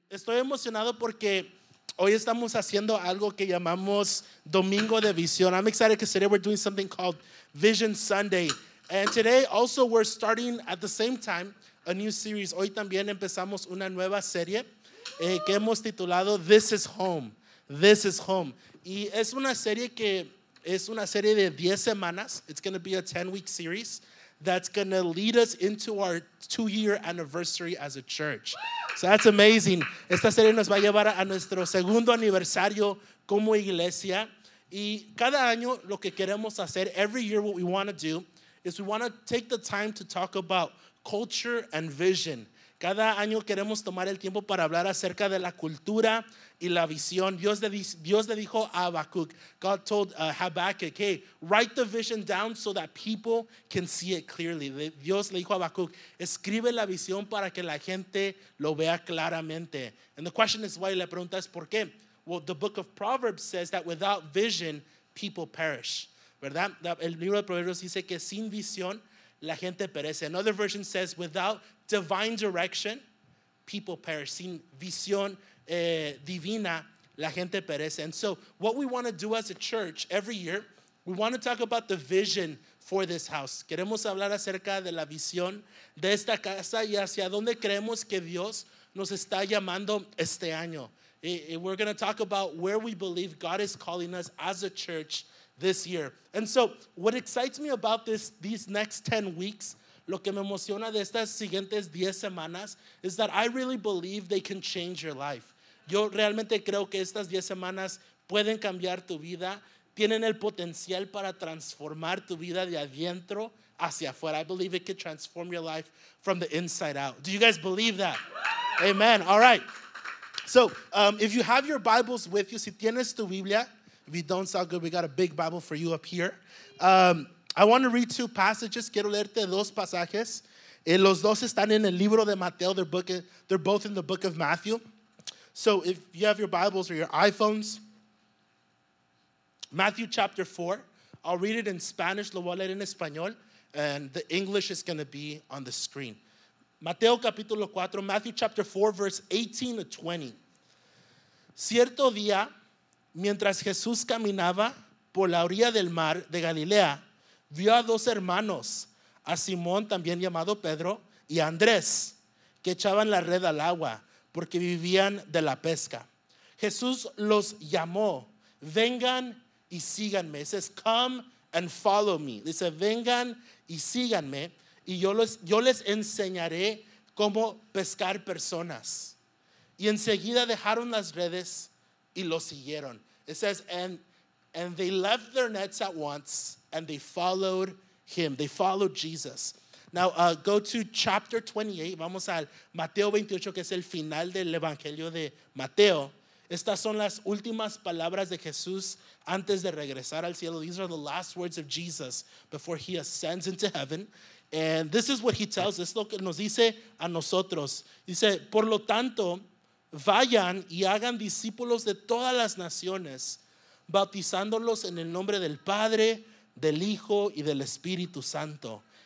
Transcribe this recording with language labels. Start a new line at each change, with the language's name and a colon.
Spanish: Estoy emocionado porque hoy estamos haciendo algo que llamamos Domingo de Visión.
English: I'm excited because today we're doing something called Vision Sunday. And today also we're starting at the same time a new series.
Spanish: Hoy también empezamos una nueva serie que hemos titulado This is Home. This is Home. Y es una serie que es una serie de 10 semanas.
English: It's going to be a 10-week series that's going to lead us into our two-year anniversary as a church. So that's amazing.
Spanish: Esta serie nos va a llevar a nuestro segundo aniversario como iglesia. Y cada año lo que queremos hacer,
English: every year what we want to do, is we want to take the time to talk about culture and vision.
Spanish: Cada año queremos tomar el tiempo para hablar acerca de la cultura y la visión. Dios le dijo a Habacuc,
English: God told Habacuc, hey, write the vision down so that people can see it clearly.
Spanish: Dios le dijo a Habacuc, escribe la visión para que la gente lo vea claramente.
English: And the question is why,
Spanish: la pregunta es por qué.
English: Well, the book of Proverbs says that without vision, people perish.
Spanish: ¿Verdad? El libro de Proverbios dice que sin visión, la gente perece.
English: Another version says, without divine direction, people perish.
Spanish: Sin visión divina, la gente perece.
English: And so what we want to do as a church every year, we want to talk about the vision for this house.
Spanish: Queremos hablar acerca de la visión de esta casa y hacia dónde creemos que Dios nos está llamando este año.
English: We're going to talk about where we believe God is calling us as a church this year. And so what excites me about these next 10 weeks,
Spanish: lo que me emociona de estas siguientes 10 semanas,
English: is that I really believe they can change your life.
Spanish: Yo realmente creo que estas 10 semanas pueden cambiar tu vida, tienen el potencial para transformar tu vida de adentro hacia afuera.
English: I believe it could transform your life from the inside out. Do you guys believe that? Amen. All right. So if you have your Bibles with you,
Spanish: si tienes tu Biblia,
English: if you don't sound good, we got a big Bible for you up here. I want to read two passages.
Spanish: Quiero leerte dos pasajes. Los dos están en el libro de Mateo.
English: They're both in the book of Matthew. So if you have your Bibles or your iPhones, Matthew chapter 4, I'll read it in Spanish.
Spanish: Lo voy a leer en español.
English: And the English is going to be on the screen.
Spanish: Mateo capítulo 4,
English: Matthew chapter 4, verse 18 to 20.
Spanish: Cierto día, mientras Jesús caminaba por la orilla del mar de Galilea, vio a dos hermanos, a Simón, también llamado Pedro, y a Andrés, que echaban la red al agua, porque vivían de la pesca. Jesús los llamó, vengan y síganme.
English: It says, come and follow me.
Spanish: Dice, vengan y síganme, y yo les enseñaré cómo pescar personas. Y enseguida dejaron las redes y lo siguieron.
English: It says, and they left their nets at once, and they followed him. They followed Jesus. Now, go to chapter 28.
Spanish: Vamos al Mateo 28, que es el final del Evangelio de Mateo. Estas son las últimas palabras de Jesús antes de regresar al cielo.
English: These are the last words of Jesus before he ascends into heaven. And this is what he tells us.
Spanish: Es lo que nos dice a nosotros. Dice, por lo tanto, vayan y hagan discípulos de todas las naciones, bautizándolos en el nombre del Padre, del Hijo y del Espíritu Santo.